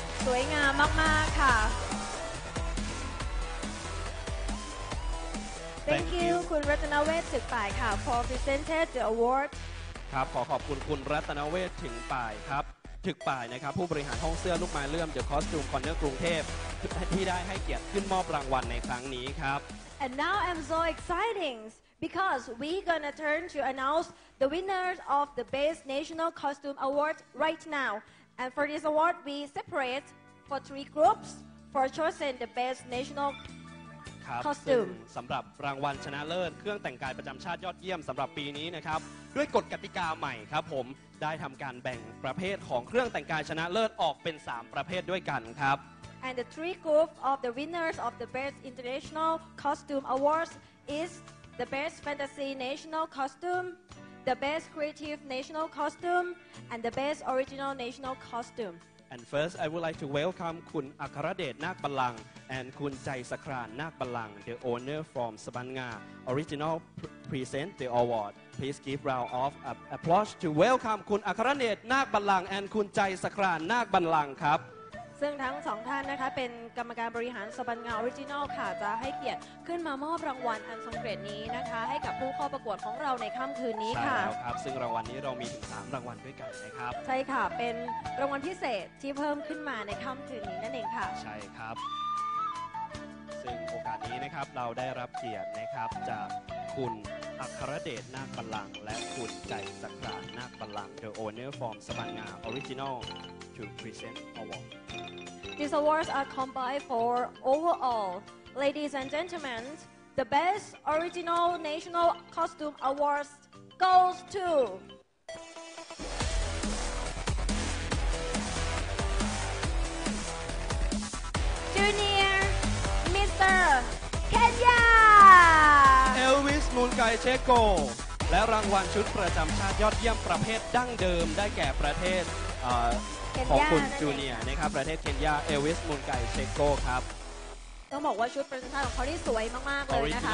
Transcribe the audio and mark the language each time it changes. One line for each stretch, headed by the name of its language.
Thai: สวยงามมากๆค่ะ
English: Thank you คุณรัตนเวชถึกฝ่ายค่ะ for presented the award
Thai: ครับขอขอบคุณคุณรัตนเวชถึงฝ่ายครับถึกป่ายนะครับผู้บริหารห้องเสื้อลูกไม้เลื่อม The Costume Corner กรุงเทพที่ได้ให้เกียรติขึ้นมอบรางวัลในครั้งนี้ครับ
English: And now I'm so exciting because we're gonna turn to announce the winners of the Best National Costume Award right now and for this award we separate for three groups for chosen the best national costume
Thai: สำหรับรางวัลชนะเลิศเครื่องแต่งกายประจำชาติยอดเยี่ยมสำหรับปีนี้นะครับด้วยกฎกติกาใหม่ครับผมได้ทำการแบ่งประเภทของเครื่องแต่งกายชนะเลิศออกเป็น3ประเภทด้วยกันครับ
English: And the three group of the winners of the Best International Costume Awards is the Best Fantasy National Costume, the Best Creative National Costume and the Best Original National Costume And first I would like to welcome คุณอัครเดชนาคบัลลังก์ and คุณใจสครานนาคบัลลังก์ the owner from สบันงา Original present the awardPlease give round of applause to welcome คุณอัครเดชนาคบัลลังก์ and คุณใจสครานนาคบัลลังก์ครับ
Thai: ซึ่งทั้งสองท่านนะคะเป็นกรรมการบริหารสบันงาออริจินอลค่ะจะให้เกียรติขึ้นมามอบรางวัลอันทรงเกียรตินี้นะคะให้กับผู้เข้าประกวดของเราในค่ำคืนนี้ค่ะ ใช่แล้วครับซึ่งรางวัลนี้เรามีถึง3รางวัลด้วยกันนะครับ ใช่ค่ะเป็นรางวัลพิเศษที่เพิ่มขึ้นมาในค่ำคืนนี้นั่นเองค่ะ ใช่ครับซึ่งโอกาสนี้นะครับเราได้รับเกียรตินะครับจากคุณอัครเดชนาคบัลลังก์และคุณใจสักรานาคบัลลังก์
English: The Owner from สบันงา Original to present award These awards are combined for overall Ladies and gentlemen The Best Original National Costume Awards goes to Junior Mr. Kenya
Thai: Elvis Mungaycheco และรางวัลชุดประจำชาติยอดเยี่ยมประเภทดั้งเดิมได้แก่ประเทศของคุณจูเนียร์นะครับประเทศเคนยาเอลวิสมุนไกเชโกครับ ต้องบอกว่าชุดประจำชาติของเขาที่สวยมากๆเลยนะคะ